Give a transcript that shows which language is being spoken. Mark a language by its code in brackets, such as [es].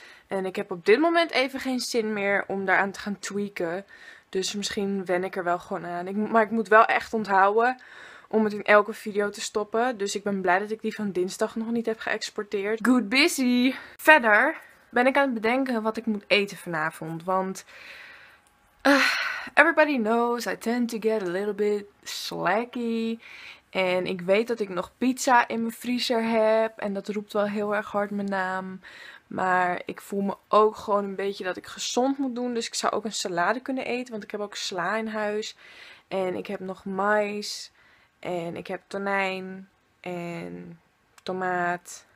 [nl] En ik heb op dit moment even geen zin meer om daaraan te gaan tweaken, dus misschien wen ik er wel gewoon aan. Maar ik moet wel echt onthouden om het in elke video te stoppen. Dus ik ben blij dat ik die van dinsdag nog niet heb geëxporteerd. [en] Good busy! [nl] Verder ben ik aan het bedenken wat ik moet eten vanavond. Want [en] everybody knows I tend to get a little bit slacky. [nl] En ik weet dat ik nog pizza in mijn vriezer heb. En dat roept wel heel erg hard mijn naam. Maar ik voel me ook gewoon een beetje dat ik gezond moet doen. Dus ik zou ook een salade kunnen eten. Want ik heb ook sla in huis. En ik heb nog mais. En ik heb tonijn en tomaat.